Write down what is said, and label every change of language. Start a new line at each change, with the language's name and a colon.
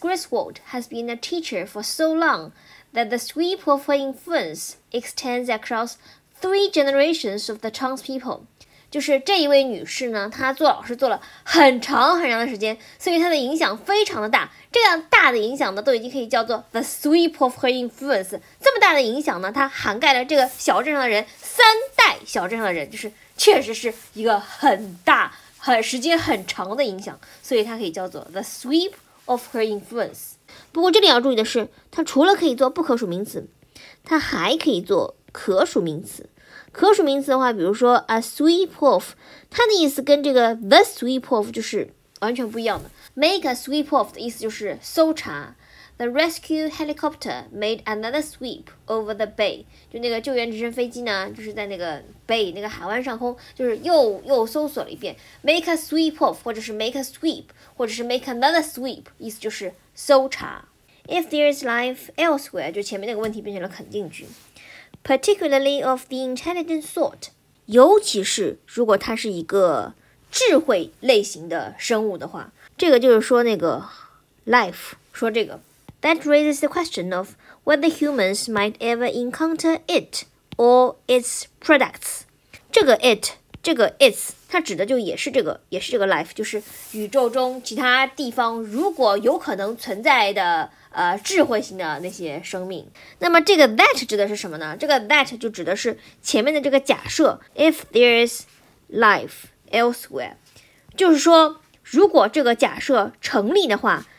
English: Griswold has been a teacher for so long that the sweep of her influence extends across three generations of the Chinese people。
Chinese: 就是这一位女士呢，她做老师做了很长很长的时间，所以她的影响非常的大。这样大的影响呢，都已经可以叫做
English: the sweep of her influence。
Chinese: 这么大的影响呢，它涵盖了这个小镇上的人，三代小镇上的人，就是确实是一个很大很时间很长的影响，所以它可以叫做
English: the sweep of her influence。
Chinese: 不过这里要注意的是，它除了可以做不可数名词，它还可以做可数名词。可数名词的话，比如说
English: a sweep of，
Chinese: 它的意思跟这个
English: the sweep of
Chinese: 就是完全不一样的。
English: make a sweep of
Chinese: 的意思就是搜查，
English: The rescue helicopter made another sweep over the bay.
Chinese: 就那个救援直升飞机呢，就是在那个 bay 那个海湾上空，就是又搜索了一遍。
English: Make a sweep of，
Chinese: 或者是
English: make a sweep，
Chinese: 或者是
English: make another sweep，
Chinese: 意思就是搜查。
English: If there is life elsewhere，
Chinese: 就前面那个问题变成了肯定句。
English: Particularly of the intelligent sort，
Chinese: 尤其是如果它是一个智慧类型的生物的话，这个就是说那个 life， 说这个。
English: That raises the question of whether humans might ever encounter it or its products.
Chinese: 这个 it， 这个 its， 它指的就也是这个 life， 就是宇宙中其他地方如果有可能存在的智慧型的那些生命。那么这个 that 指的是什么呢？这个 that 就指的是前面的这个假设 ，
English: if there is life elsewhere，
Chinese: 就是说如果这个假设成立的话。